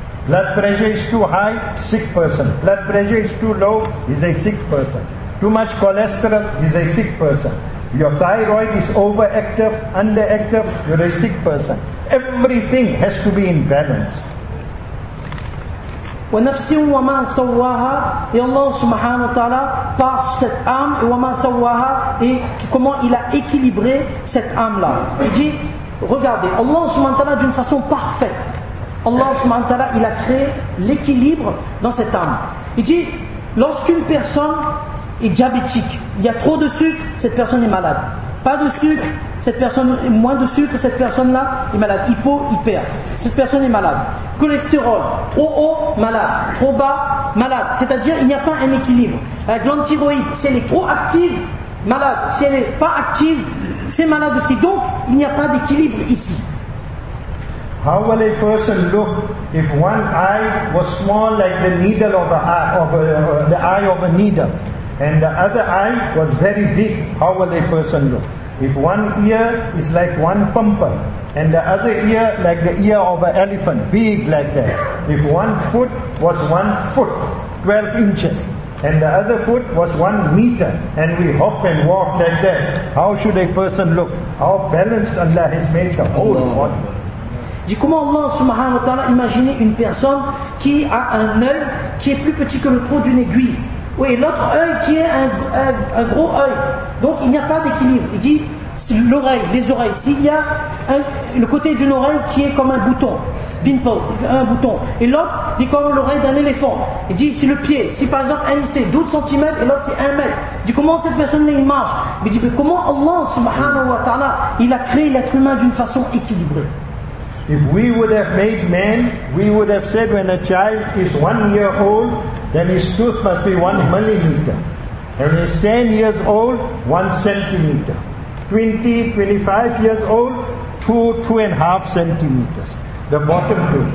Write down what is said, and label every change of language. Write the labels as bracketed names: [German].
[English] Blood pressure is too high, sick person. Blood pressure is too low, he's a sick person. Too much cholesterol, he's a sick person. Your thyroid is overactive, underactive, you're a sick person. Everything has to be in balance. [Arabic] وَنَفْسٍ وَمَا سَوَّهَا يَاللَّهُ سُبْحَانَهُ وَتَعَلَى [French] par cette âme et [Arabic] وَمَا سَوَّهَا [French] et comment il a équilibré cette âme-là. Il dit, regardez, Allah subhanahu wa ta'ala d'une façon parfaite. Allah subhanahu wa ta'ala, il a créé l'équilibre dans cette âme. Il dit, lorsqu'une personne est diabétique, il y a trop de sucre, cette personne est malade. Pas de sucre, cette personne, moins de sucre, cette personne-là est malade. Hypo, hyper. Cette personne est malade. Cholestérol, trop haut, malade. Trop bas, malade. C'est-à-dire, il n'y a pas un équilibre. La glande thyroïde, si elle est trop active, malade. Si elle n'est pas active, c'est malade aussi. Donc, il n'y a pas d'équilibre ici. [English] How will a person look if one eye was small like the needle of the eye of a needle? And the other eye was very big. How will a person look? If one ear is like one pimple, and the other ear like the ear of an elephant, big like that. If one foot was 1 foot, 12 inches, and the other foot was 1 meter, and we hop and walk like that, how should a person look? How balanced Allah has made the whole body. [French] Dit comment Allah subhanahu wa ta'ala imaginez une personne qui a un œil qui est plus petit que le trou d'une aiguille. Oui, l'autre œil qui est un gros œil. Donc il n'y a pas d'équilibre. Il dit l'oreille, les oreilles. S'il y a le côté d'une oreille qui est comme un bouton, un bouton. Et l'autre dit comme l'oreille d'un éléphant. Il dit si le pied, si par exemple un c'est 12 cm et l'autre c'est 1 mètre. Il dit comment cette personne-là il marche. Il dit mais comment Allah subhanahu wa ta'ala il a créé l'être humain d'une façon équilibrée. [English] If we would have made man, we would have said when a child is 1 year old, then his tooth must be 1 millimeter. And he's 10 years old, 1 centimeter. 20, 25 years old, 2 and a half centimeters. The bottom tooth.